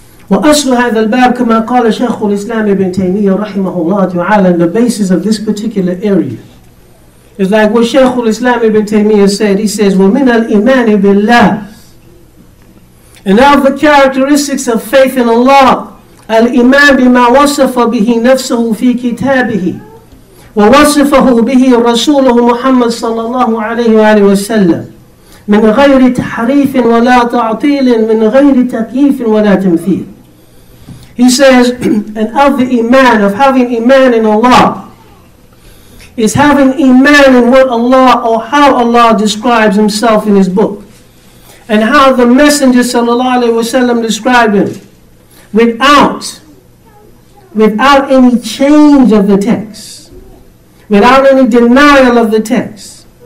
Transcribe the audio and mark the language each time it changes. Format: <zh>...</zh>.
<ar>وَأَصْلُ هَذَا الْبَابِ كَمَا قَالَ شَيْخُ الْإِسْلَامِ بِنْ تَيْمِيَّ رَحِمَهُ اللَّهُ تَعَالَى</ar> <en>The basis of this particular area is like what Shaykh al-Islam ibn Taymiyyah said. He says,</en> <ar>وَمِنَ الْإِيمَانِ بِاللَّهِ</ar> <en>And now the characteristics of faith in Allah.</en> <ar>الْإِيمَان بِمَا وَصَفَ بِهِ نَفْسَهُ فِي كِتَابِهِ وَوَصَفَهُ بِهِ رَسُولُهُ مُحَمَّد صلى الله عليه وآله وسلم من غير تحريف ولا تعطيل من غير تكييف ولا تمثيل.</ar> <en>He says, and of the iman, of having iman in Allah, is having iman in what Allah or how Allah describes Himself in His book, and how the Messenger sallallahu alaihi wasallam described Him, without any change of the text, without any denial of the text.</en>